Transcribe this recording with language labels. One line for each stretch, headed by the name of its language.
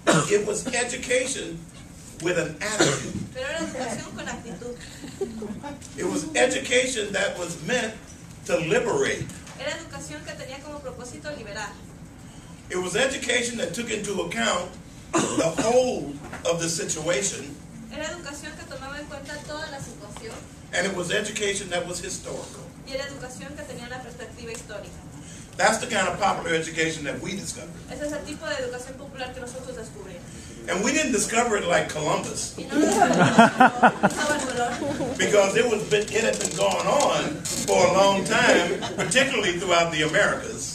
English: it was education with an attitude.
Spanish: Pero era educación con actitud.
English: It was education that was meant to liberate.
Spanish: Era educación que tenía como propósito liberar.
English: It was education that took into account the whole of the situation.
Spanish: Era educación que tomaba en cuenta toda la situación.
English: And it was education that was historical.
Spanish: Y era educación que tenía una perspectiva histórica.
English: That's the kind of popular education that we discovered.
Spanish: Ese es el tipo de educación popular que nosotros descubrimos.
English: And we didn't discover it like Columbus. Because it had been going on for a long time, particularly throughout the Americas.